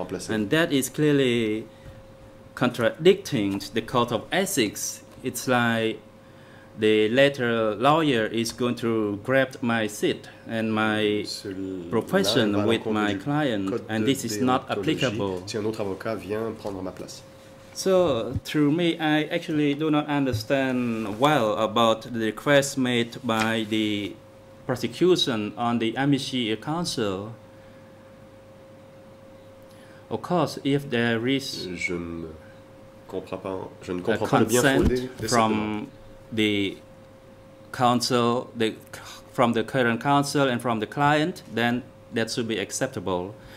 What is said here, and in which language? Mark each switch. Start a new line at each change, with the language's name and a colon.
English: And that is clearly contradicting the Code of Ethics. It's like the latter lawyer is going to grab my seat and my profession with my client, and this is not applicable.
French: Si un autre avocat vient prendre ma place.
English: So, through me, I actually do not understand well about the request made by the prosecution on the amici counsel. Of course, if there is a consent from the current counsel and from the client, then that should be acceptable.